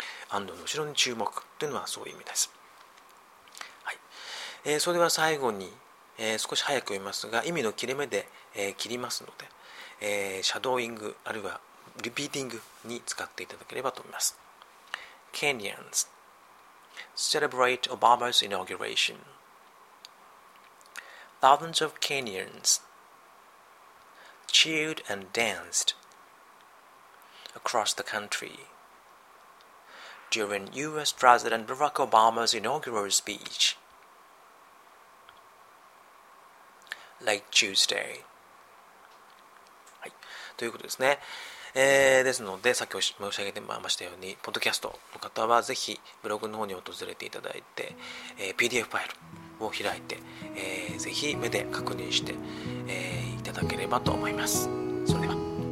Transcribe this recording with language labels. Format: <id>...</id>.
<ja>and の後ろに注目というのはそういう意味です、はいそれでは最後に、少し早く読みますが意味の切れ目で、切りますので、シャドーイングあるいはリピーティングに使っていただければと思います</ja> <en>KenyansCelebrate Obama's inauguration. Thousands of Kenyans cheered and danced across the country during U.S. President Barack Obama's inaugural speech late Tuesday.</en> <ja>はい、ということですね。ですのでさっき申し上げてましたようにポッドキャストの方はぜひブログの方に訪れていただいて、PDF ファイルを開いて、ぜひ目で確認して、いただければと思います。それでは。</ja>